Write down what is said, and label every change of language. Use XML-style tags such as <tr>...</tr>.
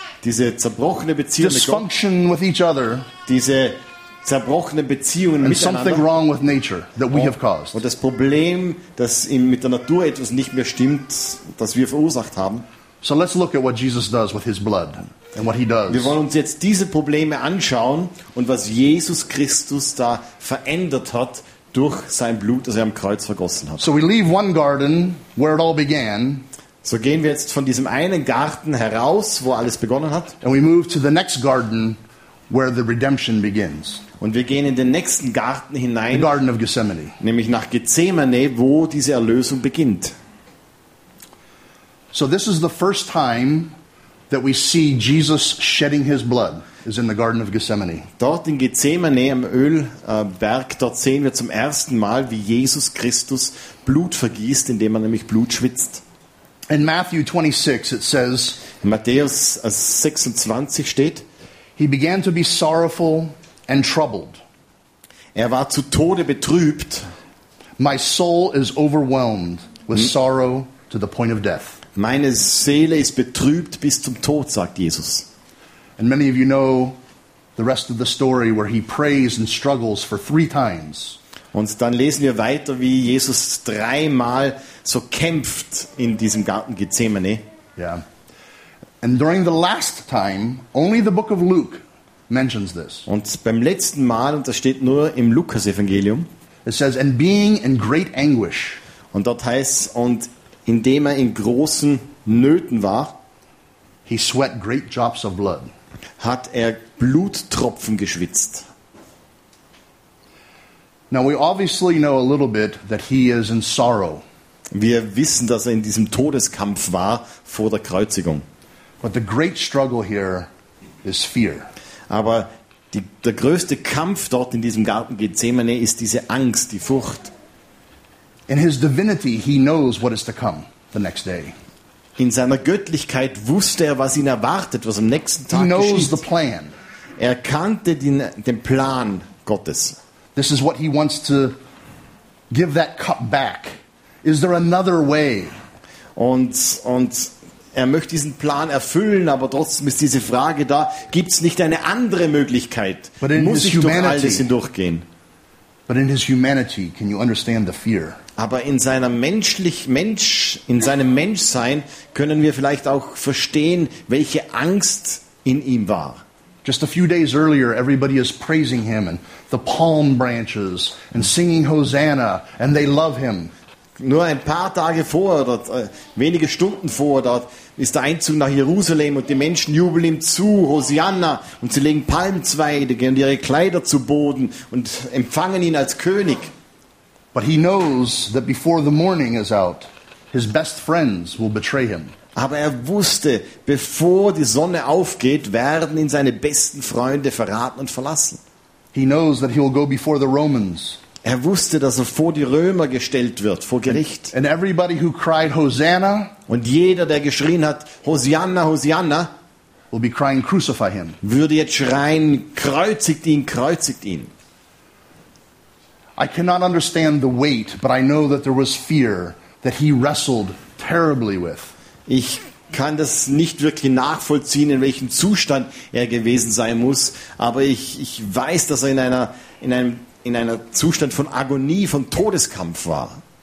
<de>Diese zerbrochene Beziehung</de> <en>dysfunction</en> <de>mit Gott,</de> <en>with each other,</en> <de>diese zerbrochene Beziehungen</de> <en>and something wrong with nature that we have caused.</en> <de>Und das Problem, dass mit der Natur etwas nicht mehr stimmt, das wir verursacht haben.</de> <en>So let's look at what Jesus does with his blood and what he does.</en> <de>Wir wollen uns jetzt diese Probleme anschauen und was Jesus Christus da verändert hat durch sein Blut, das am Kreuz vergossen hat.</de> <en>So we leave one garden where it all began.</en> <de>So gehen wir jetzt von diesem einen Garten heraus, wo alles begonnen hat.</de> <en>And we move to the next garden where the redemption begins.</en> <de>Und wir gehen in den nächsten Garten hinein.</de> <en>The Garden of Gethsemane.</en> <de>Nämlich nach Gethsemane, wo diese Erlösung beginnt.</de> <en>So this is the first time that we see Jesus shedding his blood is in the Garden of Gethsemane.</en> <de>Dort in Gethsemane am Ölberg, dort sehen wir zum ersten Mal, wie Jesus Christus Blut vergießt, indem er nämlich Blut schwitzt.</de> <en>In Matthew 26 it says,</en> <de>in Matthäus 26 steht,</de> <en>he began to be sorrowful and troubled.</en> <de>Er war zu Tode betrübt.</de> <en>My soul is overwhelmed with sorrow to the point of death.</en> <de>Meine Seele ist betrübt bis zum Tod, sagt Jesus.</de> <en>And many of you know the rest of the story where he prays and struggles for 3 times.</en> <de>Und dann lesen wir weiter, wie Jesus 3 Mal so kämpft in diesem Garten Gethsemane. Yeah.</de> <en>And during the last time, only the book of Luke mentions this.</en> <de>Und beim letzten Mal, und das steht nur im Lukas-Evangelium,</de> <en>it says, and being in great anguish.</en> <de>Und dort heißt, und indem er in großen Nöten war,</de> <en>he sweat great drops of blood.</en> <de>Hat er Bluttropfen geschwitzt.</de> <en>Now we obviously know a little bit that he is in sorrow.</en> <de>Wir wissen, dass in diesem Todeskampf war vor der Kreuzigung.</de> <en>But the great struggle here is fear.</en> <de>Aber der größte Kampf dort in diesem Garten Gethsemane ist diese Angst, die Furcht.</de> <en>In his divinity he knows what is to come the next day.</en> <de>In seiner Göttlichkeit wusste er, was ihn erwartet, was am nächsten Tag geschieht.</de> <en>The plan.</en> <de>Er kannte den Plan Gottes.</de> <en>This is what he wants to give that cup back. Is there another way?</en> <de>Und er möchte diesen Plan erfüllen, aber trotzdem ist diese Frage da, gibt's nicht eine andere Möglichkeit? Muss ich durch all das hindurchgehen?</de> <en>But in his humanity, can you understand the fear?</en> <de>Aber in seiner in seinem Menschsein können wir vielleicht auch verstehen, welche Angst in ihm war.</de> <en>Just a few days earlier, everybody is praising him and the palm branches and singing Hosanna and they love him.</en> <de>Nur ein paar Tage vorher, dort, wenige Stunden vorher, dort ist der Einzug nach Jerusalem und die Menschen jubeln ihm zu, Hosanna, und sie legen Palmzweige und ihre Kleider zu Boden und empfangen ihn als König.</de> <en>But he knows that before the morning is out, his best friends will betray him.</en> <de>Aber er wusste, bevor die Sonne aufgeht, werden ihn seine besten Freunde verraten und verlassen.</de> <en>He knows that he will go before the Romans.</en> <de>Er wusste, dass er vor die Römer gestellt wird, vor Gericht.</de> <en>And everybody who cried Hosanna,</en> <de>und jeder, der geschrien hat, Hosanna, Hosanna,</de> <en>will be crying, crucify him.</en> <de>Würde jetzt schreien, kreuzigt ihn, kreuzigt ihn.</de> <en>I cannot understand the weight, but I know that there was fear that he wrestled terribly with.</en> <de>Ich kann das nicht wirklich nachvollziehen, in welchem Zustand er gewesen sein muss, aber ich weiß, dass er in einem Zustand von Agonie, von Todeskampf war.</de>